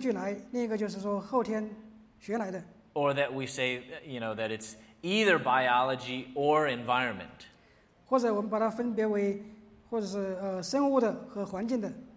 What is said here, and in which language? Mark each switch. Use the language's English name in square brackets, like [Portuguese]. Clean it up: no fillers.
[Chinese] 有的时候我们就是说，好像就是只有这两个答案，一个是与生俱来，另一个就是说后天学来的。 [English] Or that we say, you know, that it's either biology or environment. [Chinese] 或者我们把它分别为，或者是生物的和环境的。